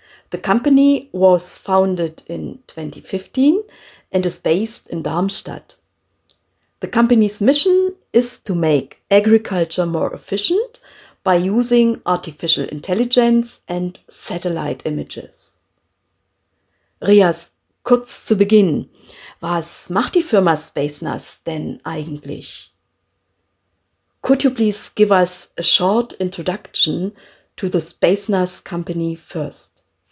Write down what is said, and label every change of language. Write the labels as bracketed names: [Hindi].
[English] The company was founded in 2015 and is based in Darmstadt. The company's mission is to make agriculture more efficient by using artificial intelligence and satellite images. [German] Rias, kurz zu Beginn, was macht die Firma Spacenas denn eigentlich? [English] Could you please give us a short introduction to the Spacenas company first?